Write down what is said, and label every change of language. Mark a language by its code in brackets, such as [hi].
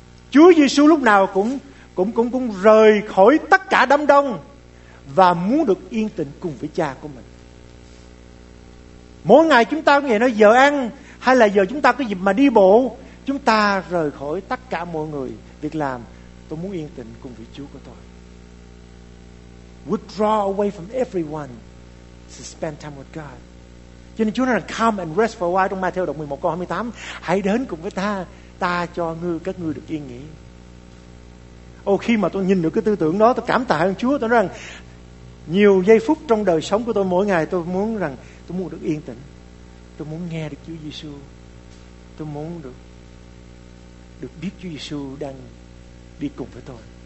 [vi] Chúa Giêsu lúc nào cũng rời khỏi tất cả đám đông và muốn được yên tĩnh cùng với cha của mình. Mỗi ngày chúng ta có nghe nói giờ ăn hay là giờ chúng ta có dịp mà đi bộ, chúng ta rời khỏi tất cả mọi người, việc làm, tôi muốn yên tĩnh cùng với Chúa của tôi. [en] Withdraw away from everyone to spend time with God. [vi] Cho nên Chúa nói là [en] come and rest for a while [vi] trong Matthew đoạn 11 câu 28, hãy đến cùng với ta cho ngươi, các ngươi được yên nghỉ. Ô, khi mà tôi nhìn được cái tư tưởng đó, tôi cảm tạ ơn Chúa. Tôi nói rằng nhiều giây phút trong đời sống của tôi mỗi ngày, tôi muốn được yên tĩnh, tôi muốn nghe được Chúa Giêsu, tôi muốn được biết Chúa Giêsu đang đi cùng với tôi.